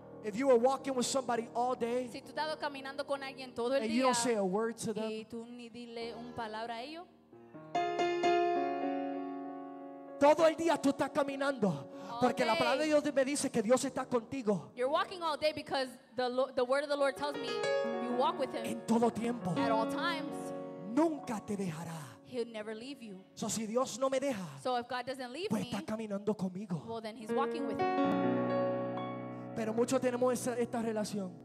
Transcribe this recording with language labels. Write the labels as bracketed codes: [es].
[en] If you were walking with somebody all day, [es] si tú estabas caminando con alguien todo el [en] and [es] día, [en] you don't say a word to them, [es] y tú ni dile un palabra a ellos. Todo el día tú estás caminando porque la palabra de Dios me dice que Dios está contigo. [en] You're walking all day because the word of the Lord tells me you walk with him. [es] En todo tiempo. [en] At all times. [es] Nunca te dejará. [en] He'll never leave you. [es] So si Dios no me deja, [en] so if God doesn't leave [es] pues está caminando conmigo. [en] Well then he's walking with me. [es] Pero muchos tenemos esta relación.